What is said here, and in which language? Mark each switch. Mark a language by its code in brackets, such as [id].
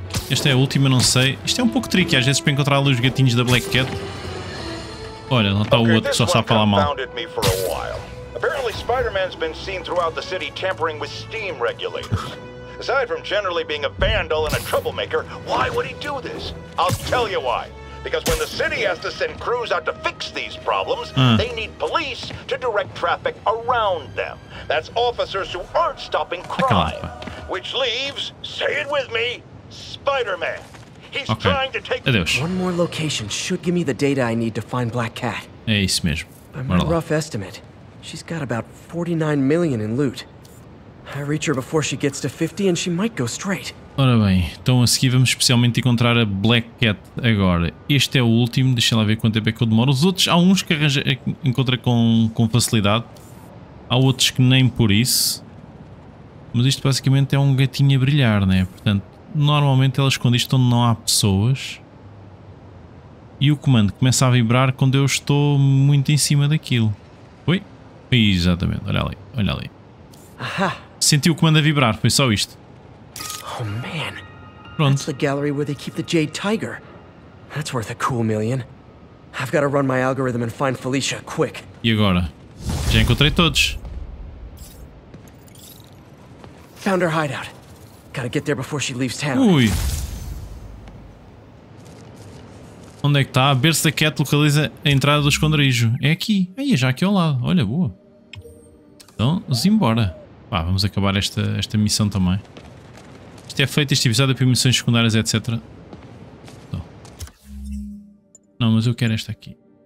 [pt] Esta é a última, não sei. Isto é um pouco tricky às vezes para encontrar ali os gatinhos da Black Cat. Olha, não está o outro que só sabe falar mal. [en] Apparently Spider-Man's been seen throughout the city tampering with steam regulators. Aside from generally being a vandal and a troublemaker, why would he do this? I'll tell you why. Because when the city has to send crews out to fix these problems, they need police to direct traffic around them. That's officers who aren't stopping crime. Which leaves, say it with me, Spider-Man. He's trying to take one more location should give me the data I need to find Black Cat. [pt] É isso mesmo. [en] A rough estimate. She's got about 49 million in loot. I reach her before she gets to 50 and she might go straight. [pt] Ora bem, então a seguir vamos especialmente encontrar a Black Cat agora. Este é o último, deixa lá ver quanto tempo é que eu demoro. Os outros, há uns que encontra com facilidade. Há outros que nem por isso. Mas isto basicamente é um gatinho a brilhar, né? Portanto, normalmente ela esconde isto onde não há pessoas. E o comando começa a vibrar quando eu estou muito em cima daquilo. Oi? Exatamente, olha ali. Aha. Senti o comando a vibrar, foi só isto. [en] Oh man. [pt] Pronto. [en] That's the gallery where they keep the Jade Tiger. That's worth a cool million. I've got to run my algorithm and find Felicia quick. [pt] E agora? Já encontrei todos. [en] Found her hideout. Gotta get there before she leaves town. Ui. [pt] Onde é que está? A berço da Cat localiza a entrada do esconderijo. É aqui. Aí, já aqui ao lado. Olha, boa. Então, vamos embora. Pá, vamos acabar esta missão também. Isto é feito, este episódio é para missões secundárias, etc. Não, mas eu quero esta aqui.